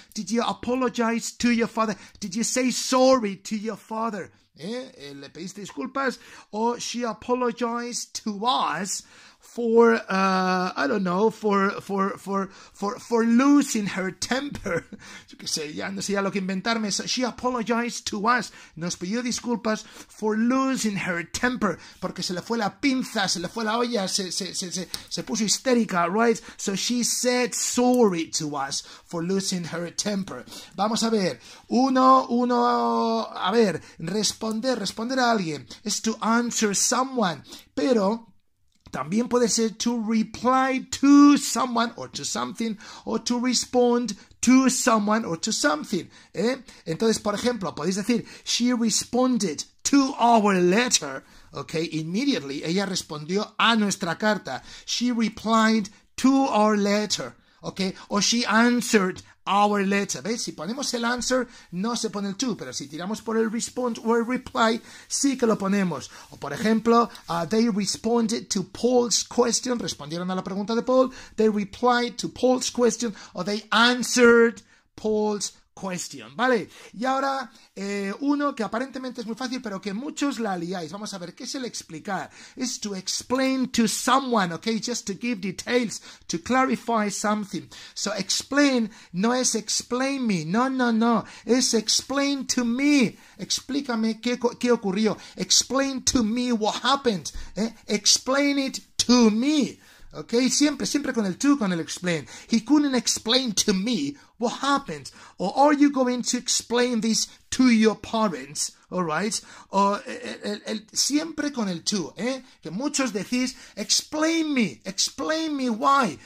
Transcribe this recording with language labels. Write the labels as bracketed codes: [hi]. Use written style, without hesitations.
[en] Did you apologize to your father? Did you say sorry to your father? [es] Le pediste disculpas. [en] Or she apologized to us for I don't know, for losing her temper. [es] Yo qué sé, ya no sé ya lo que inventarme. [en] So she apologized to us. [es] Nos pidió disculpas [en] for losing her temper, [es] porque se le fue la pinza, se le fue la olla, se puso histérica, right? [en] So she said sorry to us for losing her temper. [es] Vamos a ver. Uno, a ver, responder a alguien es [en] to answer someone, [es] pero también puede ser [en] to reply to someone or to something, or to respond to someone or to something. [es] Entonces, por ejemplo, podéis decir, [en] she responded to our letter, okay, immediately. [es] Ella respondió a nuestra carta. [en] She replied to our letter, okay, or she answered our letter. [es] ¿Ves? Si ponemos el answer, no se pone el to, pero si tiramos por el respond o el reply, sí que lo ponemos. O por ejemplo, [en] they responded to Paul's question. [es] Respondieron a la pregunta de Paul. [en] They replied to Paul's question, or they answered Paul's question, [es] ¿vale? Y ahora, uno que aparentemente es muy fácil, pero que muchos la liáis. Vamos a ver, ¿qué es el explicar? [en] Is to explain to someone, okay? Just to give details, to clarify something. So, explain [es] no es [en] explain me, no, no, no. [es] Es [en] explain to me. [es] Explícame qué ocurrió. [en] Explain to me what happened. Explain it to me. [es] Okay, siempre, siempre con el to, con el explain. [en] He couldn't explain to me what happened. Or are you going to explain this to your parents? Alright. [es] Or siempre con el to, Que muchos decís, [en] explain me why.